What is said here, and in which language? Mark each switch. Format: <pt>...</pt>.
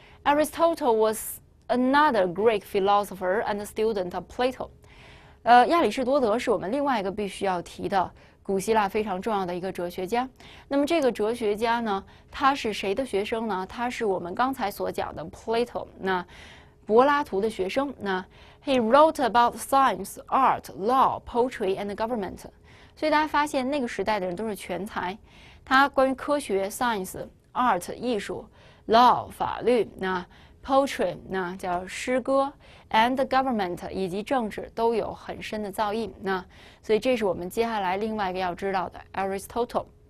<en>Aristotle was another Greek philosopher and student of Plato。</en> <zh>亚里士多德是我们另外一个必须要提的古希腊非常重要的一个哲学家。那么这个哲学家呢，他是谁的学生呢？他是我们刚才所讲的 Plato，那柏拉图的学生。</zh> <en>那 he wrote about science, art, law, poetry, and government。</en> <zh>所以大家发现那个时代的人都是全才。他关于科学 science、art 艺术、law 法律、那 poetry 那叫诗歌，and government 以及政治都有很深的造诣。那所以这是我们接下来另外一个要知道的 Aristotle。</zh>